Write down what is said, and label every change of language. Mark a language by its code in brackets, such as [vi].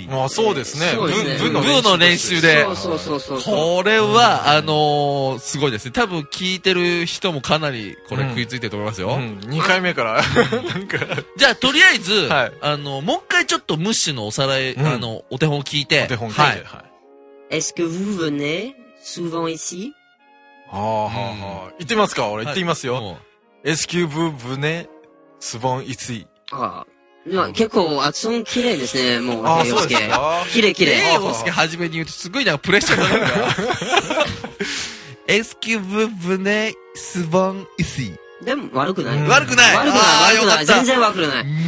[ja] まあそうですね。ブ、ブの練習。ブの練習で。そうそうそう。これは、すごいですね。多分聞いてる人もかなりこれ食いついてると思いますよ。ん、2回目から。なんか。じゃあ、とりあえず、はい、もう一回ちょっとムッシュのおさらい、うん、お手本を聞いて。お手本聞いて。はい。 [fr] est-ce que vous venez souvent ici? [ja] はぁはぁはぁ。行ってみますか？俺、はい、行ってみますよ。 [fr] est-ce que vous venez souvent ici? [ja] ああ。結構、圧音綺麗ですね、もう、平洋介。綺麗綺麗。平洋介はじめに言うと、すごいな、プレッシャーになるから。エスキューブブネスボンイシー。でも、悪くない。悪くない。悪くない。悪くない。全然悪くない。